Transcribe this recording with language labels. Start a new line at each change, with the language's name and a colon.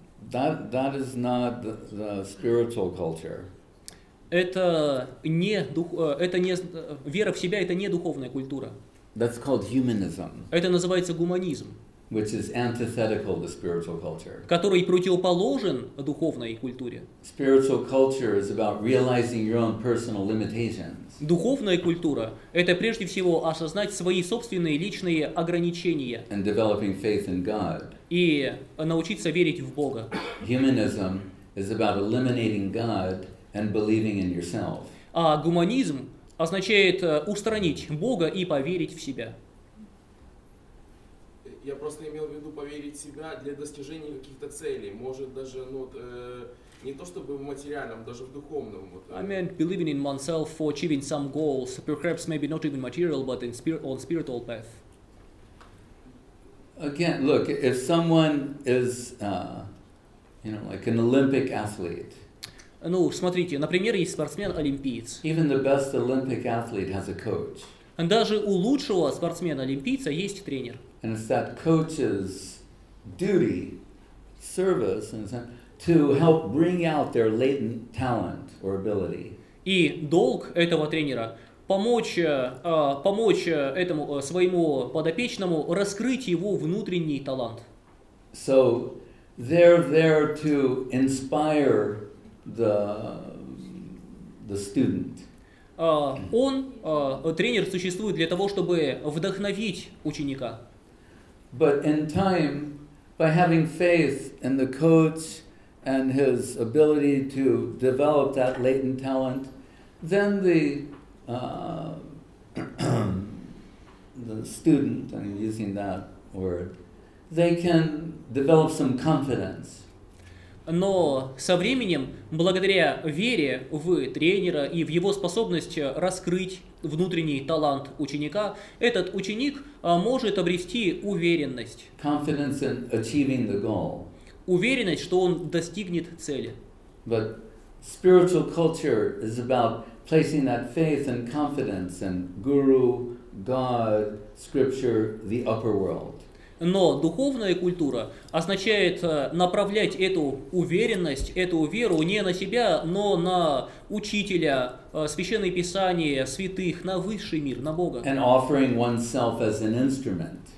English: That is not the spiritual culture.
Russian: Вера в себя — это не духовная культура.
English: That's called humanism.
Russian: Это называется гуманизм.
English: Which is antithetical to spiritual culture.
Russian: Который противоположен духовной культуре.
English: Spiritual culture is about realizing your own personal limitations.
Russian: Духовная культура — это прежде всего осознать свои собственные личные ограничения.
English: And developing faith in God.
Russian: И научиться верить в Бога.
English: Humanism is about eliminating God and believing in yourself.
Russian: А гуманизм означает устранить Бога и поверить в себя. Я просто имел в виду поверить в себя для достижения каких-то целей. Может даже не то чтобы в материальном, даже в духовном.
English: I meant believing in oneself for achieving some goals. Perhaps maybe not even material, but on spiritual path. Again, look, if someone is, like an Olympic athlete.
Russian: Ну, смотрите, например, есть спортсмен-олимпиец.
English: Even the best Olympic athlete has a coach.
Russian: Даже у лучшего спортсмена-олимпийца есть тренер.
English: And it's that coach's duty, service, in a sense, to help bring out their latent talent or ability.
Russian: И долг этого тренера помочь этому своему подопечному раскрыть его внутренний талант.
English: So they're there to inspire the student.
Russian: Тренер существует для того, чтобы вдохновить ученика.
English: But in time, by having faith in the coach and his ability to develop that latent talent, then the student, I'm using that word, they can develop some confidence.
Russian: Но со временем, благодаря вере в тренера и в его способность раскрыть внутренний талант ученика, этот ученик может обрести уверенность.
English: Confidence in achieving the goal.
Russian: Уверенность, что он достигнет цели.
English: But spiritual culture is about placing that faith and confidence in guru, God, scripture, the upper world.
Russian: Но духовная культура означает направлять эту уверенность, эту веру не на себя, но на учителя, священное писание, святых, на высший мир, на Бога.
English: And offering oneself as an instrument.